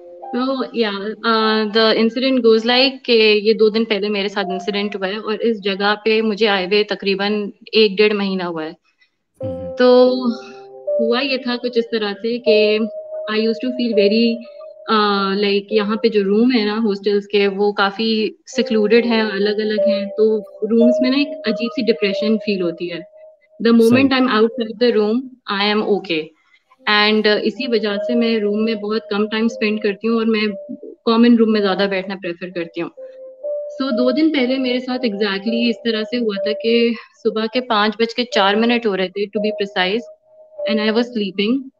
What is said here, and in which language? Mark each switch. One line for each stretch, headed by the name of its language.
Hindi: So, yeah, the incident goes like के ये 2 दिन पहले मेरे साथ incident हुआ है और इस जगह पे मुझे आए हुए तकरीबन 1.5 महीना हुआ है। तो हुआ ये था कुछ इस तरह से कि I used to feel very like यहाँ पे जो रूम है ना hostels के, वो काफी secluded है, अलग अलग है, तो rooms में ना एक अजीब सी depression feel होती है।
English: The moment I'm outside the room, I am okay.
Hindi: And इसी वजह से मैं रूम में बहुत कम टाइम स्पेंड करती हूँ और मैं कॉमन रूम में ज़्यादा बैठना प्रेफर करती हूँ। सो 2 दिन पहले मेरे साथ एग्जैक्टली इस तरह से हुआ था कि सुबह के 5:04 हो रहे थे to be precise, and I was sleeping.